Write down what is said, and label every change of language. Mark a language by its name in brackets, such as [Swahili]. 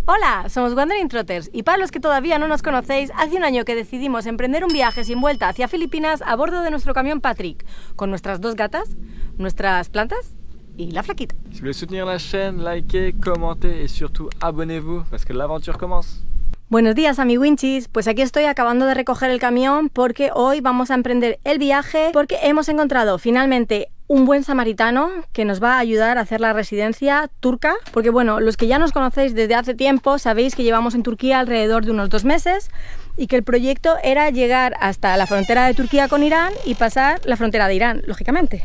[Spanish] Hola, somos Wandering Trotters y para los que todavía no nos conocéis, hace un año que decidimos emprender un viaje sin vuelta hacia Filipinas a bordo de nuestro camión Patrick, con nuestras dos gatas, nuestras plantas y la flaquita. Si queréis [French] soutenir la chaîne, likez, commentez y surtout abonnez-vous, parce que l'aventure commence. [Spanish] Buenos días, amiguinchis. Pues aquí estoy acabando de recoger el camión porque hoy vamos a emprender el viaje porque hemos encontrado finalmente un buen samaritano que nos va a ayudar a hacer la residencia turca. Porque bueno, los que ya nos conocéis desde hace tiempo sabéis que llevamos en Turquía alrededor de unos 2 meses y que el proyecto era llegar hasta la frontera de Turquía con Irán y pasar la frontera de Irán, lógicamente.